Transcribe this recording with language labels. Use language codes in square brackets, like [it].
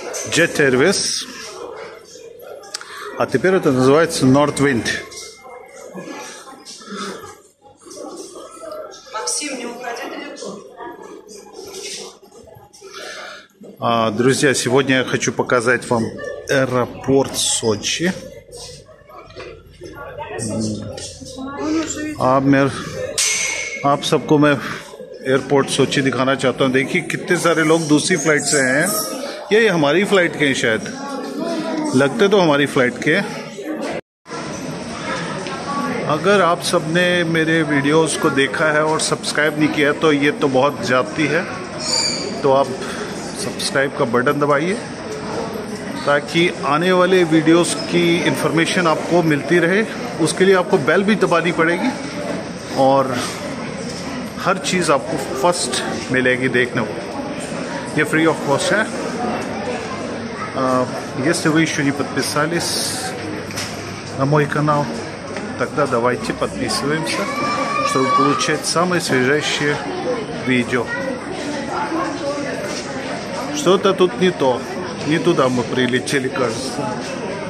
[ru] Jet Airways, а теперь это называется Northwind. Максим, не уходи далеко. А, друзья, сегодня я хочу показать вам аэропорт Сочи. [hi] Абмер, आप सबको मैं एयरपोर्ट सोची दिखाना चाहता हूं. देखिए कितने सारे लोग दूसरी फ्लाइट से हैं. ये हमारी फ्लाइट के हैं शायद. लगते तो हमारी फ्लाइट के. अगर आप सबने मेरे वीडियोस को देखा है और सब्सक्राइब नहीं किया तो ये तो बहुत जाती है. तो आप सब्सक्राइब का बटन दबाइए ताकि आने वाले वीडियोस की इंफॉर्मेशन आपको मिलती रहे. उसके लिए आपको बेल भी दबानी पड़ेगी और हर चीज़ आपको फर्स्ट मिलेगी देखने को. ये [en] free of cost [hi] है. [ru] Если вы еще не подписались на мой канал, тогда давайте подписываемся, чтобы получать самые свежайшие видео. Что-то тут не то. Не туда мы прилетели, кажется.